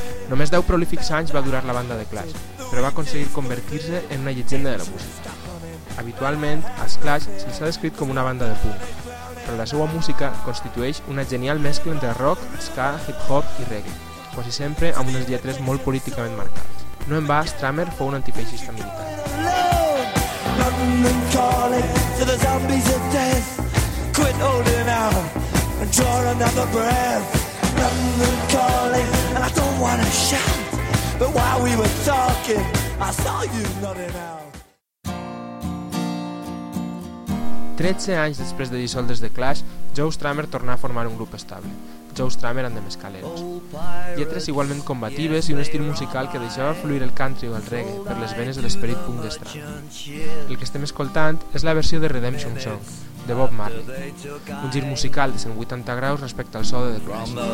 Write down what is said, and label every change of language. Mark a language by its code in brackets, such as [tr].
[ca] Només 10 prolífics anys va durar la banda de Clash, però va aconseguir convertir-se en una llegenda de la música. Habitualment, als Clash se'ls ha descrit com una banda de punk, però la seva música constitueix una genial mescla entre rock, ska, hip-hop i reggae, quasi sempre amb unes lletres molt políticament marcades. No en va, Strummer fou un antifeixista militar. [en] London calling to the zombies of death. Quit holding out and draw another breath. London calling and I don't want to shout. But while we were talking, I saw you nodding out. [ca] 13 anys després de dissoldre's The Clash, Joe Strummer tornà a formar un grup estable. Joe Strummer and the Mescaleros. Lletres igualment combatives i un estil musical que deixava fluir el country o el reggae per les venes de l'esperit punk de Strummer. El que estem escoltant és la versió de Redemption Song, de Bob Marley, un gir musical de 180 graus respecte al so de The Clash.